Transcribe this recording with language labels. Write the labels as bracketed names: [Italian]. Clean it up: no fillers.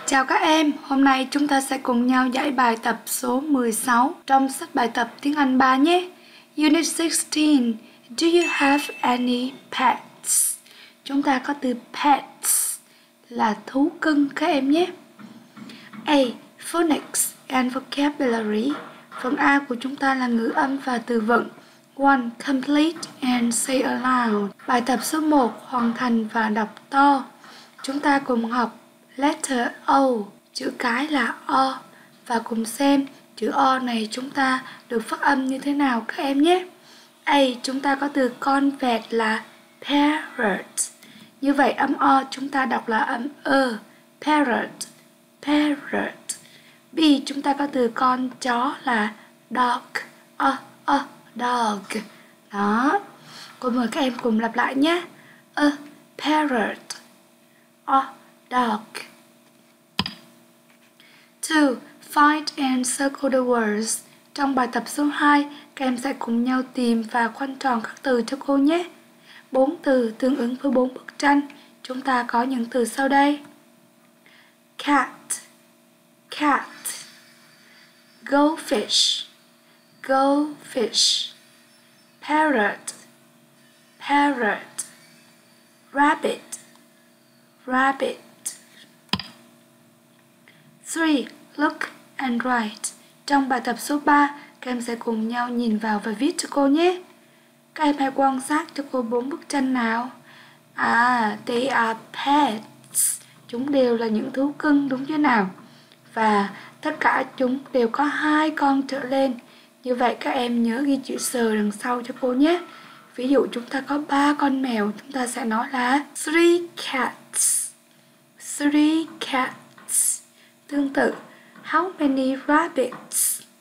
[Vietnamese] Chào các em, hôm nay chúng ta sẽ cùng nhau giải bài tập số 16 trong sách bài tập tiếng Anh 3 nhé. [English] Unit 16, do you have any pets? [Vietnamese] Chúng ta có từ pets là thú cưng các em nhé. [English] A. Phonics and vocabulary. [Vietnamese] Phần A của chúng ta là ngữ âm và từ vựng. 1. [English] Complete and say aloud. [Vietnamese] Bài tập số 1, hoàn thành và đọc to. Chúng ta cùng học letter O, chữ cái là O, và cùng xem chữ O này chúng ta được phát âm như thế nào các em nhé. A, chúng ta có từ con vẹt là parrot. Như vậy âm O chúng ta đọc là âm Ơ, parrot, parrot. B, chúng ta có từ con chó là dog, O, O, dog. Đó, cô mời các em cùng lặp lại nhé. [English] Ơ, parrot, O, dog. 2. Find and circle the words. [Vietnamese] Trong bài tập số 2, các em sẽ cùng nhau tìm và khoanh tròn các từ cho cô nhé. 4 từ tương ứng với 4 bức tranh. Chúng ta có những từ sau đây. [English] Cat, cat. Goldfish, goldfish. Parrot, parrot. Rabbit, rabbit. 3. Look and write. [Vietnamese] Trong bài tập số 3, các em sẽ cùng nhau nhìn vào và viết cho cô nhé. Các em hãy quan sát cho cô 4 bức tranh nào. À, [English] they are pets. [Vietnamese] Chúng đều là những thú cưng đúng chưa nào? Và tất cả chúng đều có 2 con trở lên. Như vậy các em nhớ ghi chữ S đằng sau cho cô nhé. Ví dụ chúng ta có 3 con mèo, chúng ta sẽ nói là 3 cats. [English] 3 cats. [Vietnamese] Tương tự, [English] how many rabbits?